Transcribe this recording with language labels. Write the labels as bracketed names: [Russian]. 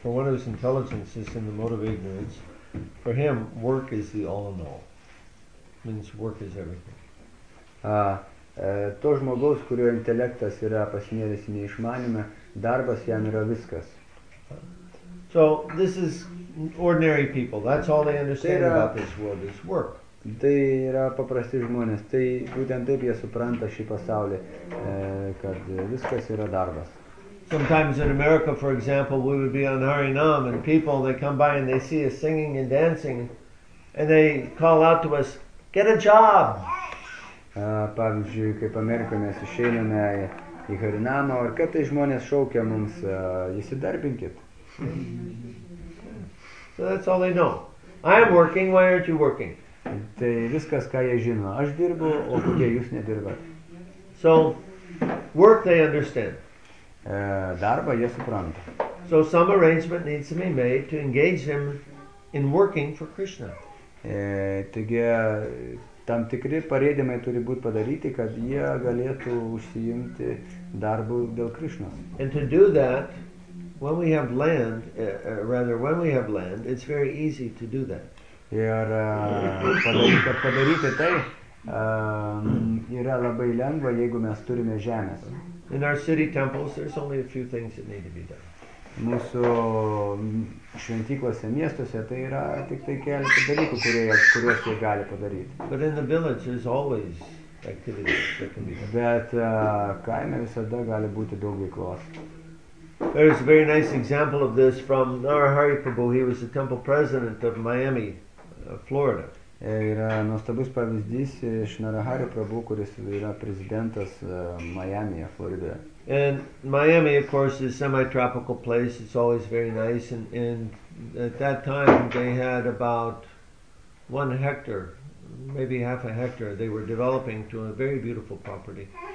[English] For one whose intelligence is in the mode of ignorance, for him, work is the all in all. It means work is everything. [Lithuanian] To žmogaus, kurio intelektas yra pasinėlis į neišmanimą, darbas jam yra viskas. [English] So this is ordinary people. That's all they understand about this world is work. [Lithuanian] Tai yra paprasti žmonės. Tai būtent taip jie supranta šį pasaulį, kad viskas yra darbas. [English] Sometimes in America, for example, we would be on Harinam and people, they come by and they see us singing and dancing and they call out to us, get a job! [Lithuanian] Pavyzdžiui, kaip Amerikoje mes išeiname į Harinamą, ar kad tai žmonės šaukia mums, įsidarbinkit. [English] So that's all they know. I am working, why aren't you working? [Lithuanian] Tai viskas, ką jie žino. Aš dirbu, o kokie jūs nedirbat. [English] So, work they understand. [Lithuanian] Darbą jie supranta. [English] So some arrangement needs to be made to engage him in working for Krishna. [Lithuanian] Taigi, tam tikri pareidimai turi būti padaryti, kad jie galėtų užsiimti darbu dėl Krishnos. [English] And to do that, when we have land, when we have land, it's very easy to do that. [Lithuanian] Ir padaryti tai yra labai lengva, jeigu mes turime žemės. [English] In our city temples, there's only a few things that need to be done. [Lithuanian] Mūsų šventyklose, miestuose, tai yra tik tai keletas dalykų, kuriuos jie gali padaryti. [English] But in the village, there's always activity that can be done. [Lithuanian] Bet kaime visada gali būti daug veiklos. [English] There is a very nice example of this from Narahari Prabhu. He was the temple president of Miami, Florida. [Lithuanian] Yra nuostabus pavyzdys iš Narahari Prabhu, kuris yra prezidentas Miami'e, Florida. [English] And Miami, of course, is a semi-tropical place. It's always very nice. And at that time, they had about 1 hectare, maybe half a hectare, they were developing to a very beautiful property.